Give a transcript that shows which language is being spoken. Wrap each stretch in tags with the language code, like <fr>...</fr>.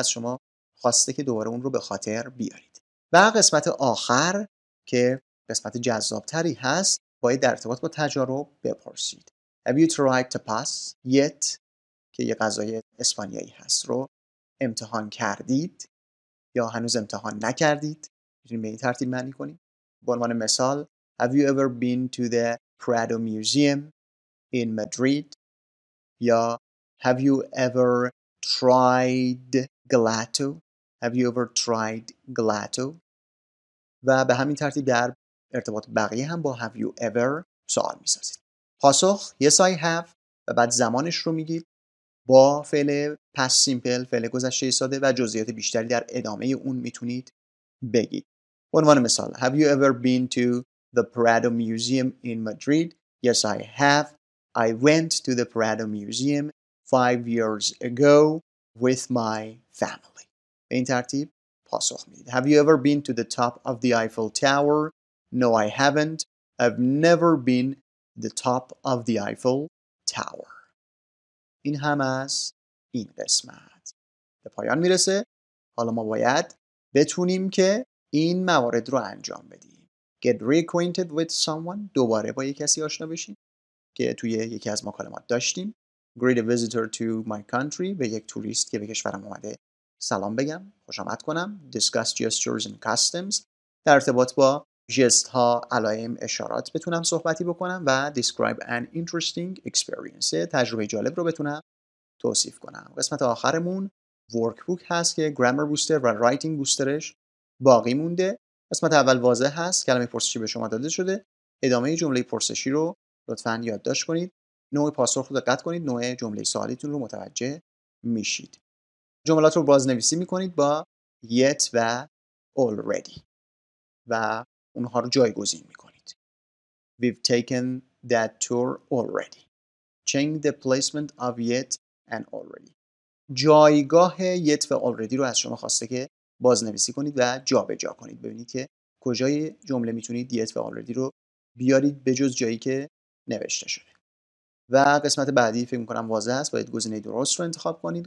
<fa>از شما خواسته که دوباره اون رو به خاطر بیارید. و قسمت آخر که قسمت جذابتری هست باید در ارتباط با تجارب بپرسید.</fa> <en>Have you tried tapas yet؟</en> <fa>که یه غذای اسپانیایی هست رو امتحان کردید یا هنوز امتحان نکردید؟ میتونید به این ترتیب معنی کنید. به عنوان مثال</fa> <en>Have you ever been to the Prado Museum in Madrid؟ یا Have you ever tried gelato؟ Have you ever tried gelato؟</en> <fa>و به همین ترتیب در ارتباط بقیه هم با</fa> <en>Have you ever</en> <fa>سوال می‌سازید. پاسخ</fa> <en>Yes I have</en> <fa>و بعد زمانش رو میگید با فعل past simple، فعل گذشته ساده و جزئیات بیشتری در ادامه اون میتونید بگید. عنوان مثال</fa> <en>Have you ever been to the Prado Museum in Madrid؟ Yes I have. I went to the Prado Museum 5 years ago with my family.</en> <fa>به این ترتیب پاسخ میدید.</fa> <en>Have you ever been to the top of the Eiffel Tower? No, I haven't. I've never been to the top of the Eiffel Tower.</en> <fa>این هم از این قسمت. به پایان میرسه. حالا ما باید بتونیم که این موارد رو انجام بدیم.</fa> <en>Get reacquainted with someone.</en> <fa>دوباره با یک کسی آشنا بشیم. که توی یکی از مکالمات داشتیم.</fa> <en>Greet a visitor to my country.</en> <fa>به یک توریست که به کشورم اومده سلام بگم. خوش آمد کنم.</fa> <en>Discuss gestures and customs.</en> <fa>در ارتباط با ژست ها، علائم، اشارات بتونم صحبتی بکنم و</fa> <en>describe an interesting experience.</en> <fa>تجربه جالب رو بتونم توصیف کنم. قسمت آخرمون workbook هست که grammar booster و writing boosterش باقی مونده. قسمت اول واضح هست. کلمه پرسشی به شما داده شده. ادامه جمله پرسشی رو لطفاً یادداشت کنید. نوع پاسخ رو دقت کنید. نوع جمله سوالیتون رو متوجه میشید. جملات رو بازنویسی میکنید با yet و already و اونها رو جایگزین میکنید.</fa> <en>We've taken that tour already. Change the placement of yet and already.</en> <fa>جایگاه yet و already رو از شما خواسته که بازنویسی کنید و جا به جا کنید. ببینید که کجای جمله میتونید yet و already رو بیارید به جز جایی که نوشته شده. و قسمت بعدی فکر می‌کنم واضح است. باید گزینه درست رو انتخاب کنید.</fa>